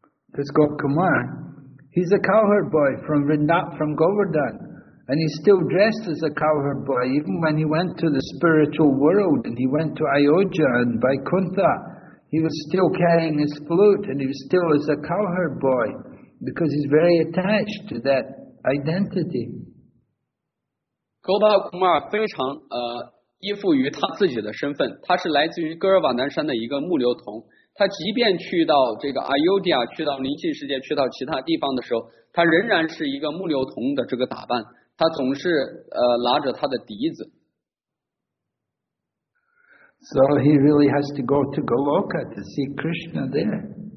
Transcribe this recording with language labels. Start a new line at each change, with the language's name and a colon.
English: Because Gop Kumar, he's a cowherd boy from Govardhan, and he's still dressed as a cowherd boy even when he went to the spiritual world and he went to Ayodhya and Vaikuntha. He was still carrying his flute and he was still as a cowherd boy because he's very attached to that identity.
Chinese: Gopal Kumar 非常依附于他自己的身份，他是来自于噶尔瓦南山的一个牧牛童，他即便去到这个 Ayodhya， 去到宁静世界，去到其他地方的时候，他仍然是一个牧牛童的这个打扮，他总是拿着他的笛子。
English: So he really has to go to Goloka to see Krishna there.